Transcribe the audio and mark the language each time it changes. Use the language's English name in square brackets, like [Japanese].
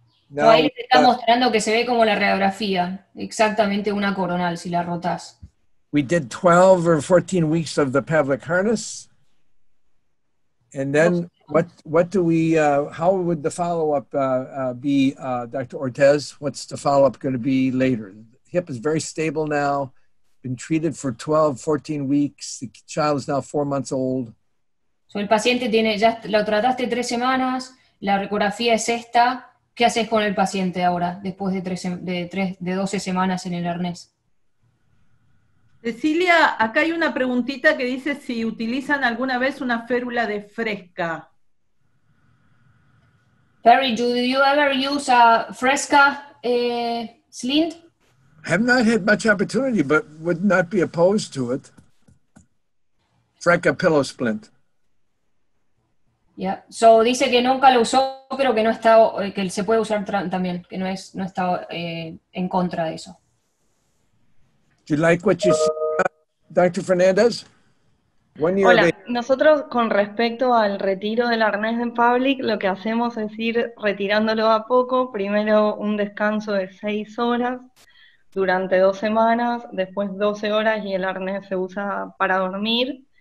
[Spanish] Now, ahí está mostrando que se ve como la radiografía, exactamente una coronal si la rotas. [English] We did 12 or 14 weeks of the Pavlik harness. And then how would the follow-up be, Dr. Ortiz? What's the follow-up going to be later? The hip is very stable now, been treated for 12, 14 weeks. The child is now 4 months old. [Spanish] So el paciente tiene, ya lo trataste 3 semanas. La ecografía es esta. ¿Qué haces con el paciente ahora, después de 12 semanas en el arnés? Cecilia, acá hay una preguntita que dice si utilizan alguna vez una férula de fresca. [English] Perry, do you ever use a fresca slint? Have not had much opportunity, but would not be opposed to it. Fresca pillow splint. Yeah. [Spanish] So dice que nunca lo usó, pero que no está, que se puede usar también, que no está en contra de eso. [English] Do you like what you see, Dr. Fernandez? [Spanish] Hola, nosotros con respecto al retiro del arnés en Pavlik, lo que hacemos es ir retirándolo a poco, primero un descanso de 6 horas durante 2 semanas, después 12 horas y el arnés se usa para dormir.